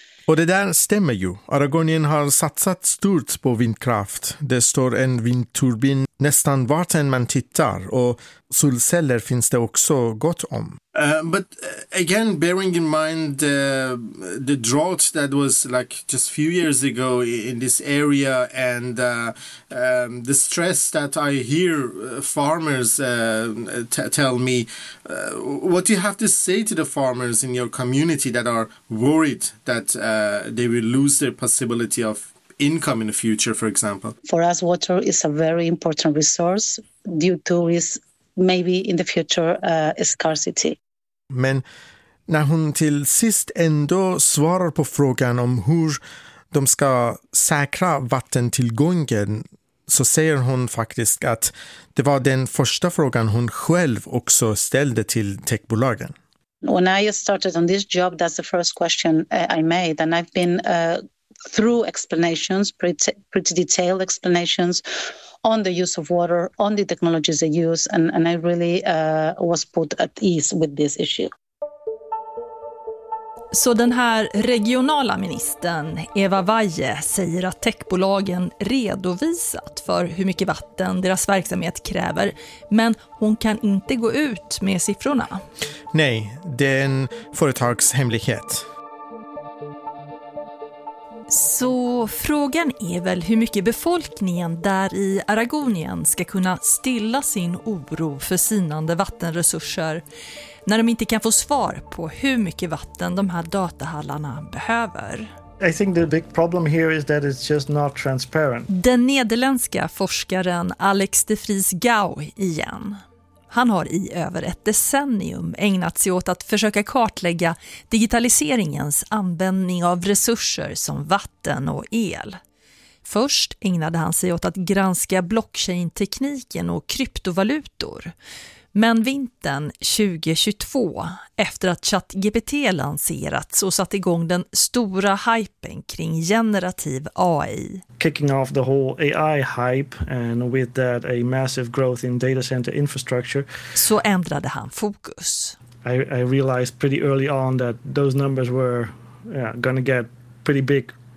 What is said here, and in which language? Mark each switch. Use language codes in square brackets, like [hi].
[sv] Och det där stämmer ju. Aragonien har satsat stort på vindkraft. Det står en vindturbin nästan vart än man tittar. Och solceller finns det också gott om. [en] But again, bearing in mind the drought that was like just a few years ago in this area and the stress that I hear farmers tell me, what do you have to say to the farmers in your community that are worried that they will lose their possibility of income in the future, for example? For us, water is a very important resource due to its maybe in the future scarcity. [sv] Men när hon till sist ändå svarar på frågan om hur de ska säkra vattentillgången så säger hon faktiskt att det var den första frågan hon själv också ställde till techbolagen. [en] When I started on this job, that's the first question I made, and I've been through explanations, pretty detailed explanations on the use of water, on the technologies they use, and I really was put at ease with this issue. [sv] Så den här regionala ministern Eva Waje säger att techbolagen redovisat för hur mycket vatten deras verksamhet kräver, men hon kan inte gå ut med siffrorna. Nej, det är en företagshemlighet. Så frågan är väl hur mycket befolkningen där i Aragonien ska kunna stilla sin oro för sinande vattenresurser när de inte kan få svar på hur mycket vatten de här datahallarna behöver. [en] I think the big problem here is that it's just not transparent. [sv] Den nederländska forskaren Alex de Vries Gouw igen. Han har i över ett decennium ägnat sig åt att försöka kartlägga digitaliseringens användning av resurser som vatten och el. Först ägnade han sig åt att granska blockchain-tekniken och kryptovalutor. Men vintern 2022, efter att ChatGPT lanserats och satt igång den stora hypen kring generativ AI. [en] Kicking off the whole AI hype and with that a massive growth in data center infrastructure. [sv] Så ändrade han fokus. [en] I realized pretty early on that those numbers were gonna get pretty big.